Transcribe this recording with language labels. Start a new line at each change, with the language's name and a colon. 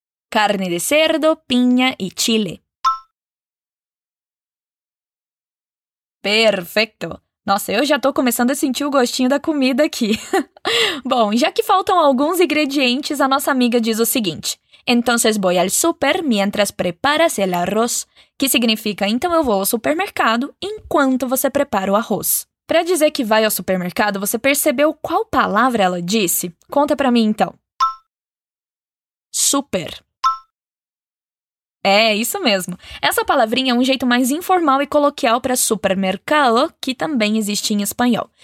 Spanish: Carne de cerdo, pinha e chile.
Portuguese: Perfeito! Nossa, eu já tô começando a sentir o gostinho da comida aqui. Bom, já que faltam alguns ingredientes, a nossa amiga diz o seguinte.
Spanish: Entonces voy al super mientras preparas el arroz.
Portuguese: Que significa, então eu vou ao supermercado enquanto você prepara o arroz. Para dizer que vai ao supermercado, você percebeu qual palavra ela disse? Conta pra mim, então. Super. É, isso mesmo. Essa palavrinha é um jeito mais informal e coloquial para supermercado, que também existe em espanhol.